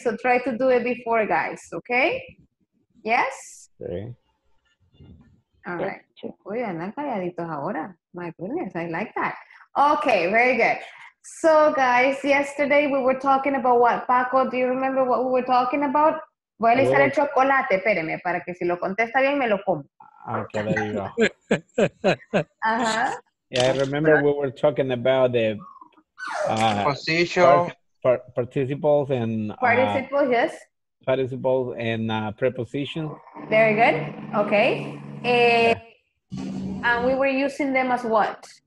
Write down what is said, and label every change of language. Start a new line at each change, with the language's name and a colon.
English: So try to do it before, guys, okay? Yes? Okay. All right.
Spanish: Uy, calladitos ahora.
English: My goodness, I like that. Okay, very good. So, guys, yesterday we were talking about what? Paco, do you remember what we were talking about?
Spanish: Voy a listar el chocolate, espéreme, para que si lo contesta bien me lo como.
English: Okay, there you go. Uh-huh. Yeah, I remember we were talking about the position, participles and... Participles, yes. Participles and preposition. Very good. Okay. And we were using them as what?